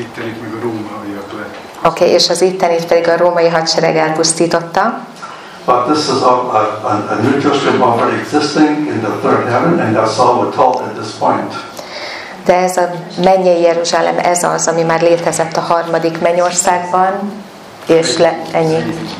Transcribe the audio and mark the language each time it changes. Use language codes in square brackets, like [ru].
[hu] ittenit meg a rómaiak le. Okay, és az ittenit pedig a római hadsereg elpusztította. [en] But this is a new Jerusalem already existing in the third heaven, and that's all we're told at this point. [hu] De ez a mennyei Jeruzsálem, ez az, ami már létezett a harmadik mennyországban, és le, ennyi.